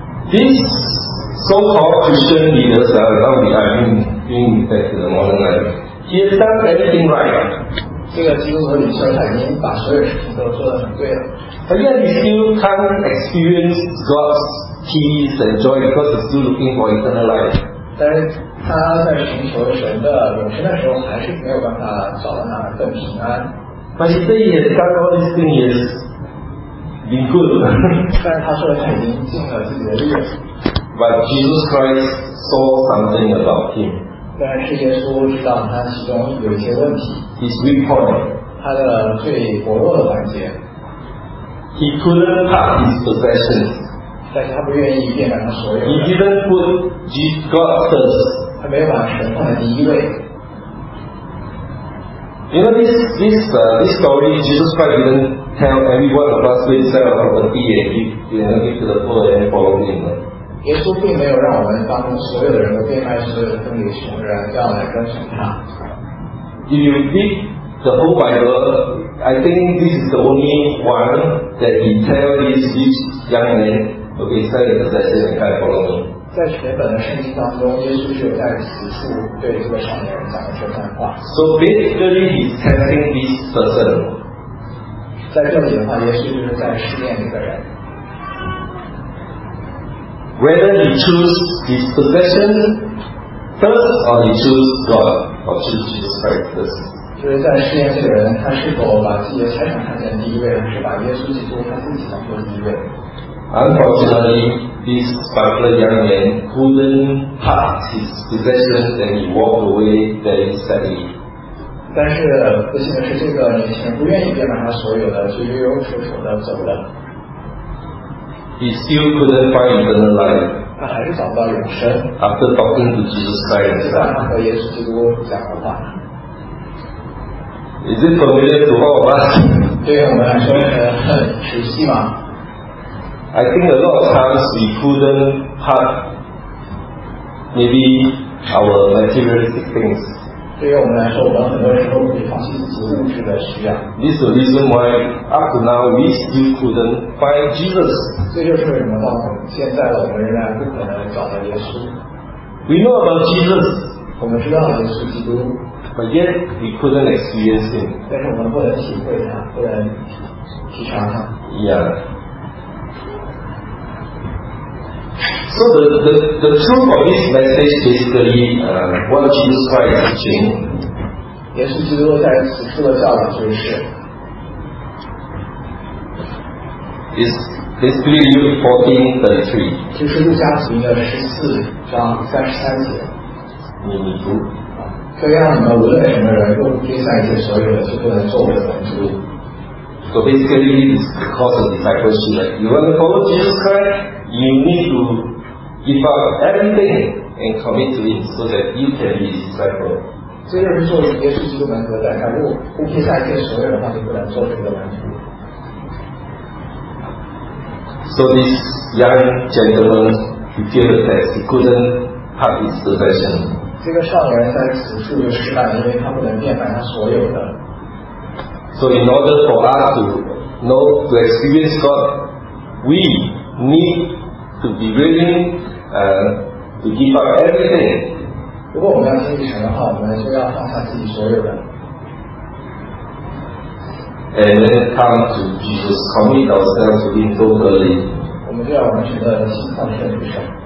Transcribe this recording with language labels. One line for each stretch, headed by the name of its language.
English: These so-called Christian leaders are now being back to the modern life. He has done everything right.
Chinese: 这个基督徒领袖他已经把所有事情都做得很对了。
English: But yet he still can't experience God's peace and joy because he's still looking for eternal life.
Chinese: 但是他在寻求神的永生的时候，还是没有办法找到那份平安。
English: But he said he has done all these things, he has be good.
Chinese: 但他说他已经尽了自己的力了。
English: But Jesus Christ saw something about him.
Chinese: 但是耶稣知道他其中有些问题。
English: His weak point.
Chinese: 他的最薄弱的环节。
English: He couldn't part his possessions.
Chinese: 但是他不愿意变卖他所有。
English: He didn't put Jesus God first.
Chinese: 他没有把神放在第一位。
English: You know this story, Jesus Christ didn't tell every one of us to sell our property and give to the poor and follow him.
Chinese: 耶稣并没有让我们当中所有的人都变卖所有的分给穷人，要来跟随他。
English: If you read the whole Bible, I think this is the only one that he tell this young man, okay, sell your possessions and come follow me.
Chinese: 在全本的圣经当中，耶稣就在此处对这个少年人讲了这番话。
English: So basically, he's testing this person.
Chinese: 在这里的话，耶稣就是在试验一个人。
English: Whether he choose his possession first or he choose God or choose Jesus Christ first.
Chinese: 就是在试验这个人，他是否把自己的财产看在第一位，还是把耶稣基督他自己当做第一位。
English: Unfortunately, this particular young man couldn't part his possessions and he walked away very sadly.
Chinese: 但是不幸的是，这个年轻人不愿意变卖他所有的，就忧忧愁愁的走了。
English: He still couldn't find eternal life.
Chinese: 他还是找不到永生。
English: After talking to Jesus Christ,
Chinese: 就算他和耶稣基督讲的话。
English: Is it familiar to all of us?
Chinese: 对我们来说很熟悉吗？
English: I think a lot of times we couldn't part maybe our materialistic things.
Chinese: 对于我们来说，我们很多时候会放弃自己物质的需要。
English: This is the reason why up to now we still couldn't find Jesus.
Chinese: 这就是为什么到现在我们仍然不可能找到耶稣。
English: We know about Jesus.
Chinese: 我们知道耶稣基督。
English: But yet we couldn't experience him.
Chinese: 但是我们不能体会他，不能体察他。
English: Yeah. So the truth of this message basically, what Jesus Christ is teaching.
Chinese: 耶稣基督在此处的教导就是
English: is basically Luke 14:33.
Chinese: 就是路加福音的14:33。你读。这样呢，无论什么人，都不丢下一切所有的，就不能做我的门徒。
English: So basically, it's the cause of discipleship. You want to follow Jesus Christ, you need to give up everything and commit to Him so that you can be His disciple.
Chinese: 这就是做耶稣基督门徒的代价。如果不撇下一切所有的话，就不能做这个门徒。
English: So this young gentleman, he failed the test. He couldn't part his possession.
Chinese: 这个少年在此处就失败，因为他不能变卖他所有的。
English: So in order for us to know to experience God, we need to be willing to give up everything.
Chinese: 如果我们要经历神的话，我们就要放下自己所有的。
English: And then come to Jesus, commit ourselves to Him totally.
Chinese: 我们就要完全的心放在主上。